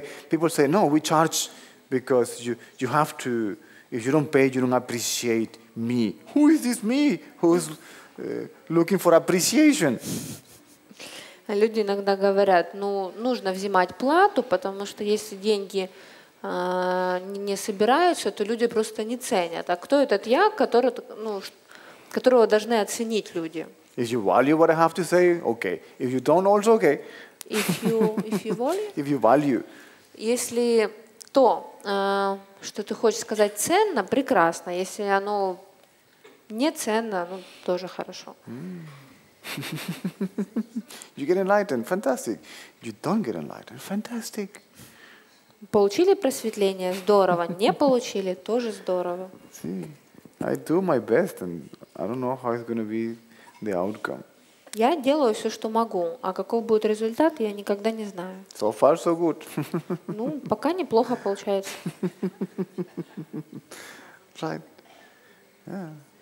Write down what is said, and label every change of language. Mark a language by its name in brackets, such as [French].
[English] People say, no, we charge because you have to. If you don't pay, you don't appreciate me. Who is this me who's looking for appreciation? [Russian] Люди иногда говорят, ну нужно взимать плату, потому что если деньги не собираются, то люди просто не ценят. А кто этот я, которого должны оценить люди? [English] If you value what I have to say, okay. If you don't, also okay. If you value. [Russian] Если то, что ты хочешь сказать, ценно, прекрасно. Если оно не ценно, ну тоже хорошо. [English] You get enlightened, fantastic. You don't get enlightened, fantastic. [Russian] Получили просветление, здорово. Не получили, тоже здорово. [English] See, I do my best, and I don't know how it's going to be the outcome. [Russian] Я делаю все, что могу, а каков будет результат, я никогда не знаю. [English] So far, so good. [Russian] Ну, пока неплохо получается. [English] Right. Yeah.